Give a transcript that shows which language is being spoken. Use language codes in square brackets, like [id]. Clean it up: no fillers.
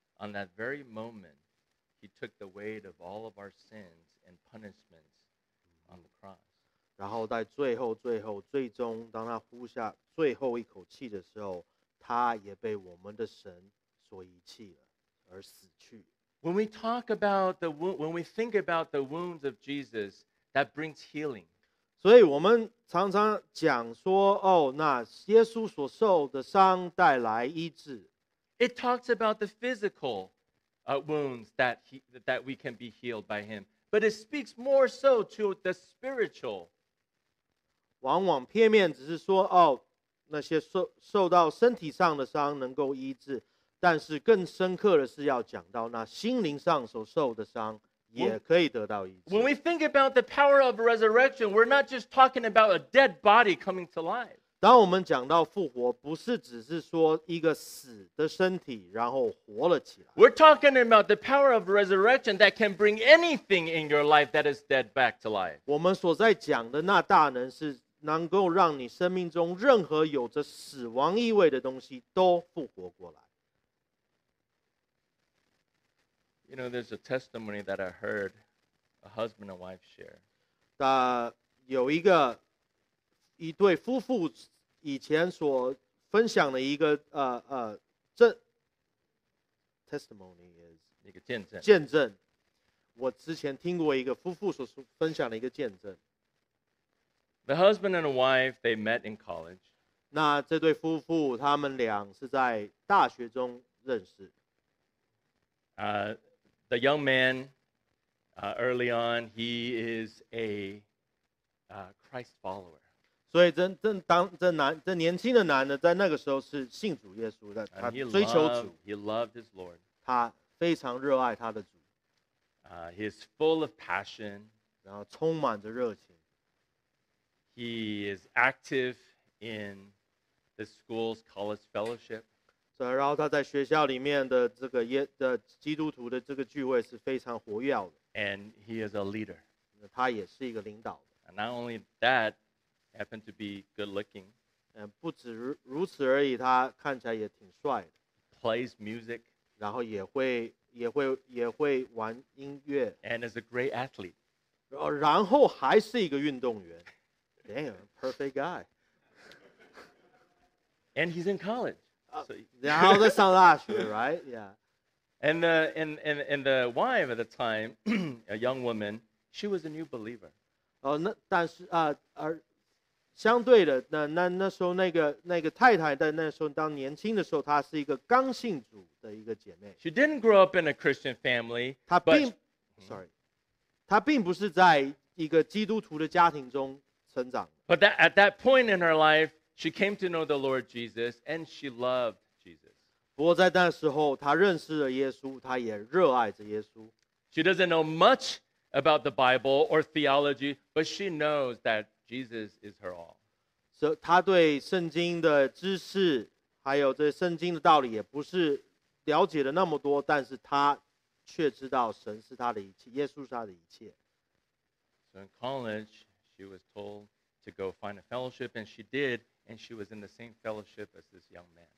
[en] On that very moment, he took the weight of all of our sins and punishments on the cross. [zh] 然后在最后，最终，当他呼下最后一口气的时候，他也被我们的神所遗弃了，而死去。 [en] When we think about the wounds of Jesus, that brings healing. [zh] 所以我们常常讲说，哦，那耶稣所受的伤带来医治。 [en] It talks about the physical wounds that we can be healed by him. But it speaks more so to the spiritual. [zh] 往往片面只是说、哦、那些 受到身体上的伤能够医治。但是更深刻的是要讲到那心灵上所受的伤也可以得到医治。 [en] When we think about the power of resurrection, we're not just talking about a dead body coming to life. [zh] 当我们讲到复活，不是只是说一个死的身体然后活了起来。 [en] We're talking about the power of resurrection that can bring anything in your life that is dead back to life. [zh] 我们所在讲的那大能是能够让你生命中任何有着死亡意味的东西都复活过来。 [en] You know, there's a testimony that I heard a husband and wife share. [zh] 有一对夫妇以前所分享的一个 [en] testimony is [zh] 一个见证。见证，我之前听过一个夫妇所分享的一个见证。 [en] The husband and wife, they met in college. [zh] 那这对夫妇他们俩是在大学中认识。 [en] The young man, early on, he is a Christ follower. [zh] 所以这年轻的男的在那个时候是信主耶稣的，他追求主。 [en] He loved his Lord. [zh] 他非常热爱他的主。 [en] He is full of passion. [zh] 然后充满着热情。 [en] He is active in the school's college fellowship. [zh] So, 然后他在学校里面的这个耶的基督徒的这个聚会是非常活跃的。 [en] And he is a leader. [zh] 他也是一个领导。 [en] And not only that, happened to be good looking. [zh] 不止如此而已，他看起来也挺帅的。 [en] Plays music. [zh] 然后也会玩音乐。 [en] And is a great athlete. [zh] 然后还是一个运动员。 [en] Damn, perfect guy. And he's in college. Now that's on Ashford, right? Yeah. And the wife at the time, a young woman, she was a new believer. She didn't grow up in a Christian family. But that, at that point in her life, she came to know the Lord Jesus, and she loved Jesus. [zh] 不过在那时候，她认识了耶稣，她也热爱着耶稣。 [en] She doesn't know much about the Bible or theology, but she knows that Jesus is her all. [zh] So, 她对圣经的知识，还有这圣经的道理，也不是了解的那么多，但是她却知道神是她的一切，耶稣是她的一切。 [en] So in college, she was told. To go find a fellowship, and she did, and she was in the same fellowship as this young man.